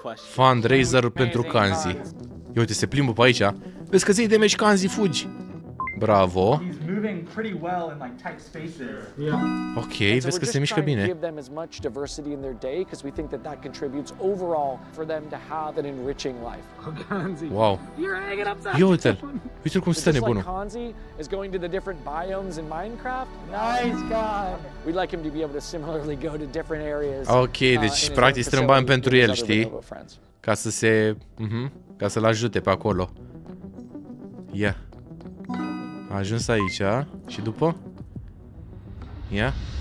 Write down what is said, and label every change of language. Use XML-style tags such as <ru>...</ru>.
<ro>Fundraiser pentru Konzi. Ia uite, se plimbă pe aici. Vezi că ți-ai damage, Konzi, fugi. Bravo.</ro> <en>He's moving pretty well in like tight spaces. Yeah. Okay, so</en> <ro>vezi că se mișcă bine.</ro> <en>Give them as much diversity in their day because we think that that contributes overall for them to have an enriching life. Wow. Yo,</en> <ro>uite-l cum stă nebunul.</ro> <en>Like Hanzi is going to the different biomes in Minecraft. Nice guy. We'd like him to be able to similarly go to different areas.</en> <ro>Okay, deci practic strâmbăm pentru el, știi? Ca să se, ca să-l ajute pe acolo. Ia. Yeah. A ajuns aici, a? Și după? Ia? Yeah.</ro>